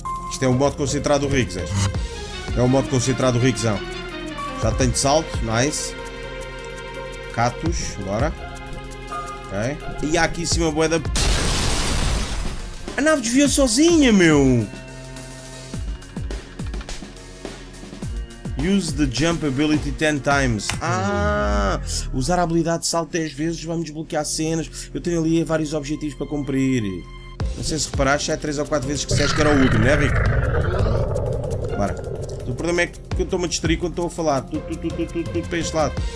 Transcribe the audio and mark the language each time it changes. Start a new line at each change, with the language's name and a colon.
Portuguese: Isto é o modo concentrado rico, Zé. É o modo concentrado ricozão. Já tenho de salto, nice. Catos, agora. Ok. E há aqui em cima a boeda. A nave desviou sozinha, meu!
English: Use the jump ability 10 times. Ah!
Portuguese: Usar a habilidade de salto 10 vezes vai-me desbloquear cenas. Eu tenho ali vários objetivos para cumprir. Não sei se reparaste, já é 3 ou 4 vezes que disseste que era o último, não é, Rico? Bora. O problema é que eu estou-me a distrair quando estou a falar. Tudo para este lado.